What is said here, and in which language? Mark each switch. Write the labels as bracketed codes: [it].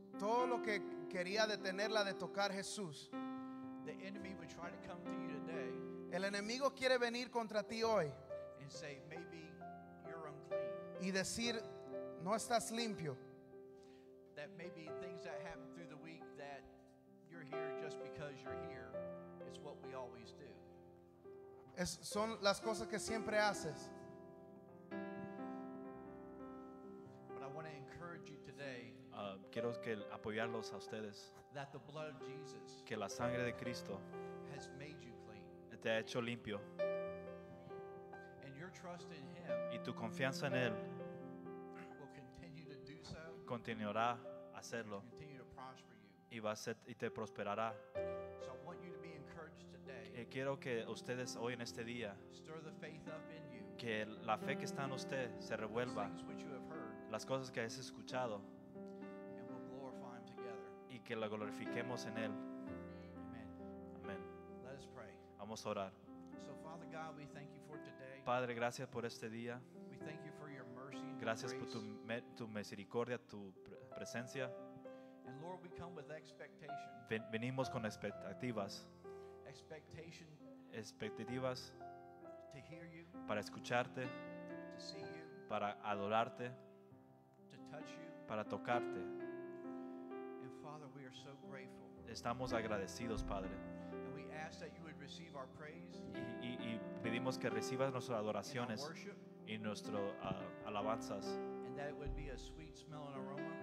[es] Todo lo que quería detenerla de tocar Jesús. [en] The enemy would try to come to you today. [es] El enemigo quiere venir contra ti hoy. [en] And say, maybe you're unclean. [es] Y decir, no estás limpio. [en] That maybe things that happen through the week that you're here just because you're here. It's what we always do. [es] Son las cosas que siempre haces. [en] But I want to encourage you today. [es] Quiero que apoyarlos a ustedes. [en] That the blood of Jesus, [es] que la sangre de Cristo, [en] has made you clean. [es] Te ha hecho limpio. [en] And your trust in Him. [es] Y tu confianza en él. [en] Will continue to do so. [es] Continuará a hacerlo. [en] Continue to prosper you. [es] Y te prosperará. [en] So I want you to be encouraged today. [es] quiero que ustedes hoy en este día, [en] stir the faith up in you, [es] que la fe que está en usted se revuelva, [en] heard, [es] las cosas que has escuchado, [en] and we'll glorify him together, [es] y que la glorifiquemos en él. [en] Amen. [es] Amen. [en] Let us pray. [es] Vamos a orar. [en] So, Father God, we thank you for today. [es] Padre, gracias por este día. [en] We thank you for your mercy and [es] gracias [en] your grace. [es] Por tu misericordia, tu presencia. [en] And Lord, we come with expectation. [es] Venimos con expectativas. [en] Expectation. [es] Expectativas. [en] To hear you. [es] Para escucharte. [en] To see you. [es] Para adorarte. [en] To touch you. [es] Para tocarte. [en] And Father, we are so grateful. [es] Estamos agradecidos, Padre. [en] And we ask that you would receive our praise. [es] Y pedimos que recibas nuestras adoraciones y nuestras alabanzas. [en] That it would be a sweet smell and aroma,